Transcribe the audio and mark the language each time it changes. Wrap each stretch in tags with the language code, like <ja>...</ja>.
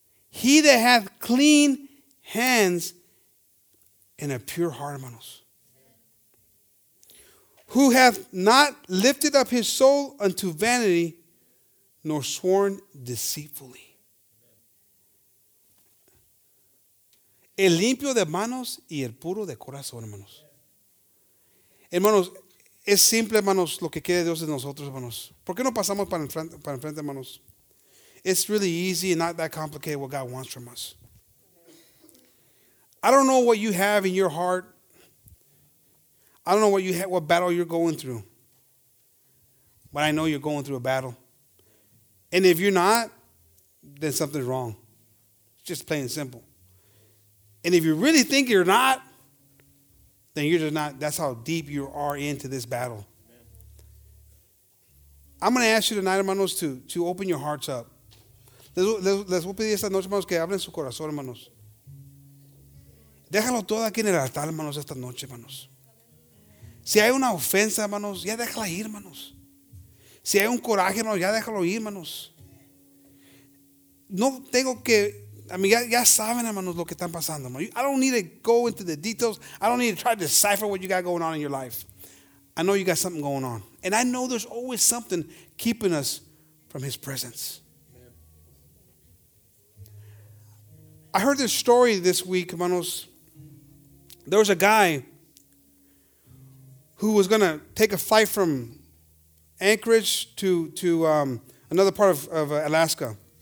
<en>He that hath clean hands and a pure heart, hermanos. Who hath not lifted up his soul unto vanity, nor sworn deceitfully.</en> <es>El limpio de manos y el puro de corazón, hermanos. Hermanos, es simple, hermanos, lo que quiere Dios de nosotros, hermanos. ¿Por qué no pasamos para enfrente, hermanos?</es> <en>It's really easy and not that complicated what God wants from us. I don't know what you have in your heart. I don't know what battle you're going through. But I know you're going through a battle. And if you're not, then something's wrong. It's just plain and simple. And if you really think you're not, then you're just not. That's how deep you are into this battle. I'm going to ask you tonight, hermanos, to open your hearts up.</en> <es>Les voy a pedir esta noche, hermanos, que abren su corazón, hermanos. Déjalo todo aquí en el altar, hermanos, esta noche, hermanos. Si hay una ofensa, hermanos, ya déjala ir, hermanos. Si hay un coraje, hermanos, ya déjalo ir, hermanos. No tengo que, a mí ya saben, hermanos, lo que están pasando, hermanos.</es> <en>I don't need to go into the details. I don't need to try to decipher what you got going on in your life. I know you got something going on. And I know there's always something keeping us from his presence. I heard this story this week, hermanos. There was a guy who was going to take a flight from Anchorage to another part of Alaska.</en>